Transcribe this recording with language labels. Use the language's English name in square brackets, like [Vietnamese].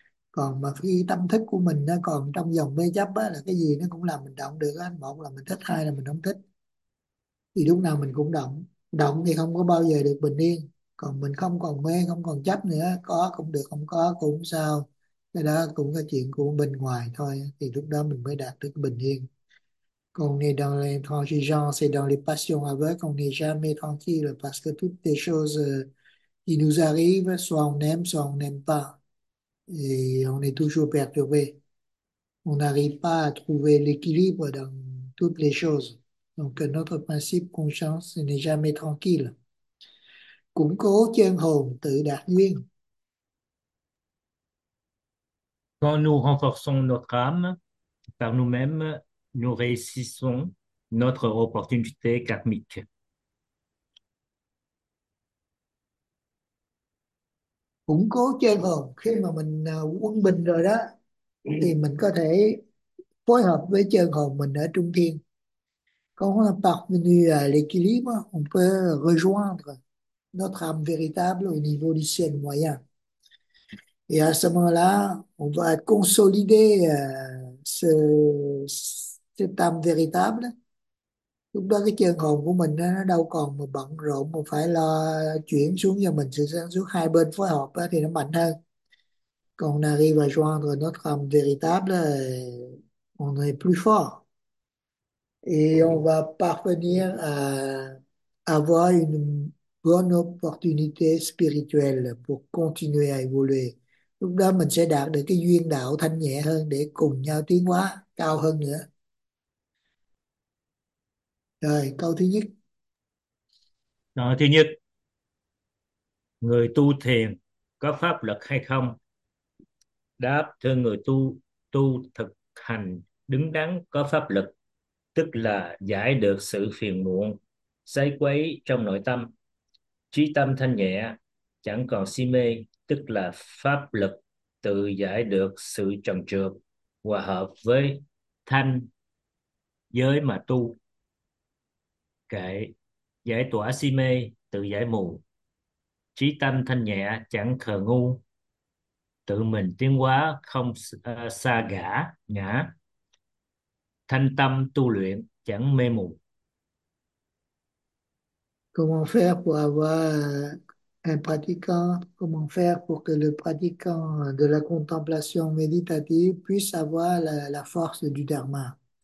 [Vietnamese] Còn mà khi tâm thức của mình nó còn trong dòng mê chấp á, là cái gì nó cũng làm mình động được á, một là mình thích, hai là mình không thích, thì lúc nào mình cũng động, động thì không có bao giờ được bình yên. Còn mình không còn mê không còn chấp nữa, có cũng được không có cũng sao, cái đó cũng là chuyện của bên ngoài thôi, thì lúc đó mình mới đạt được bình yên. [French] Quand on est dans l'intransigeance et dans les passions aveugles, on n'est jamais tranquille parce que toutes les choses qui nous arrivent, soit on aime, soit on n'aime pas. Et on est toujours perturbé. On n'arrive pas à trouver l'équilibre dans toutes les choses. Donc notre principe conscience n'est jamais tranquille. [Vietnamese] Củng cố chân hồn tự đạt duyên. [French] Quand nous renforçons notre âme par nous-mêmes, nous réussissons notre opportunité karmique. [Vietnamese] Củng cố chân hồn, khi mà mình quân bình rồi đó thì mình có thể phối hợp với chân hồn mình ở trung thiên. [French] Quand on a parvenu à l'équilibre, on peut rejoindre notre âme véritable au niveau du ciel moyen. Et à ce moment-là, on va consolider cette âme véritable. [Vietnamese] Lúc đó cái chân hồn của mình nó đâu còn mà bận rộn mà phải lo chuyển xuống cho mình sự sáng suốt, hai bên phối hợp đó, thì nó mạnh hơn. Còn là khi mà [French] joindre notre âme véritable, on est plus fort. Et on va parvenir à avoir une bonne opportunité spirituelle pour continuer à évoluer. [Vietnamese] Lúc đó mình sẽ đạt được cái duyên đạo thanh nhẹ hơn để cùng nhau tiến hóa cao hơn nữa. Rồi, câu thứ nhất. Đó, thứ nhất, người tu thiền có pháp lực hay không? Đáp, thưa người tu, tu thực hành đứng đắn có pháp lực, tức là giải được sự phiền muộn, xoáy quấy trong nội tâm. Chí tâm thanh nhẹ, chẳng còn si mê, tức là pháp lực tự giải được sự trần trược, hòa hợp với thanh giới mà tu. Kệ, giải tỏa si mê, tự giải mù. Trí tâm thanh nhẹ, chẳng khờ ngu. Tự mình tiến hóa, không xa gã, ngã. thanh tâm tu luyện chẳng mê mụ. [French] Comment faire pour avoir un pratiquant, comment faire pour que le pratiquant de la contemplation méditative puisse avoir la force du dharma?